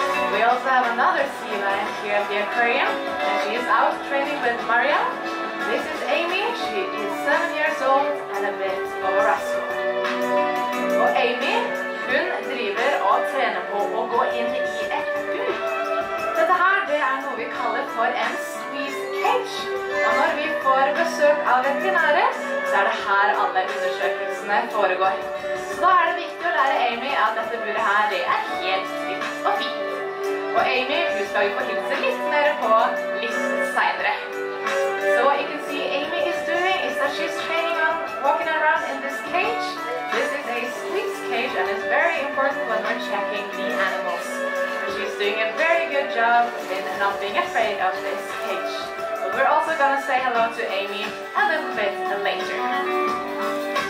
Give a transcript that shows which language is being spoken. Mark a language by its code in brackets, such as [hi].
[en] We also have another sea lion here at the aquarium, and she is out training with Maria. This is Amy, she is 7 years old and a bit of a rascal. [no] Og Amy, hun driver og trener på å gå inn i et bur. Dette her, det er noe vi kaller for en squeeze cage. Og når vi får besøk av veterinæret, så er det her alle undersøkelsene foregår. Så da er det viktig å lære Amy at dette buret her, det er helt trygt og fint. Og Amy, hun skal jo få hilse litt mer på litt senere. [en] So what you can see Amy is doing is that she's training on walking around in this cage. This is a squeeze cage and it's very important when we're checking the animals. She's doing a very good job in not being afraid of this cage. But we're also gonna say hello to Amy a little bit later.